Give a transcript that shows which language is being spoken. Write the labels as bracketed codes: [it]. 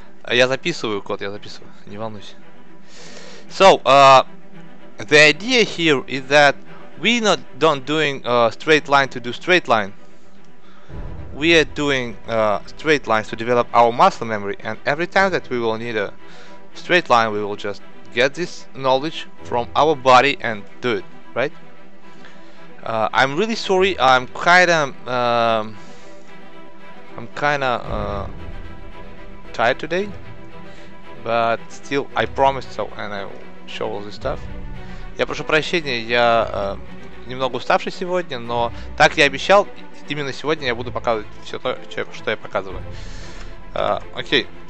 [ru] Я записываю код, я записываю, не волнуйся. [en] So, the idea here is that we not don't doing a straight line to do straight line. We are doing straight lines to develop our muscle memory, and every time that we will need a straight line, we will just get this knowledge from our body and do it, right? I'm really sorry, I'm kinda tired today, but still I promised so, and I'll show all this stuff. [ru] Я прошу прощения, я немного уставший сегодня, но так я обещал, именно сегодня я буду показывать все то, что я показываю. Окей.